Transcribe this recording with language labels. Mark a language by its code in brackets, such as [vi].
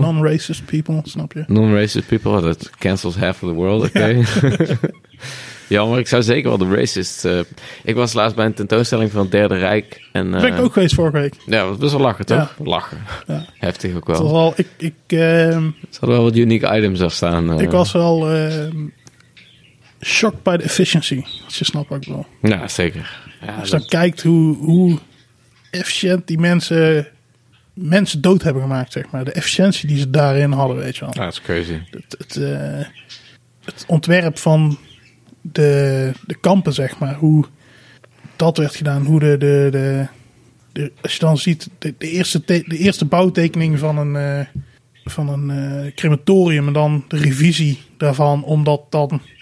[en] Non-racist people, [nl] snap je? [en] Non-racist people. Oh, that cancels half of the world, oké? Okay? Ja. [nl] Jammer, ik zou zeker wel de racist... ik was laatst bij een tentoonstelling van het Derde Rijk. En, dat ben ik ook geweest vorige week. Ja, dat was wel lachen, toch? Ja. Lachen. Ja. Heftig ook wel. Het was wel ik, ze hadden wel wat unique items af staan. Ik was wel [en] shocked by the efficiency. [nl] Als je snapt wat ik bedoel. Ja, zeker. Ja, als je dan kijkt hoe efficiënt die mensen dood hebben gemaakt, zeg maar. De efficiëntie die ze daarin hadden, weet je wel. Ja, dat is crazy. Het ontwerp van... De kampen, zeg maar, hoe dat werd gedaan, hoe de als je dan ziet de eerste bouwtekening van een crematorium en dan de revisie daarvan, omdat dan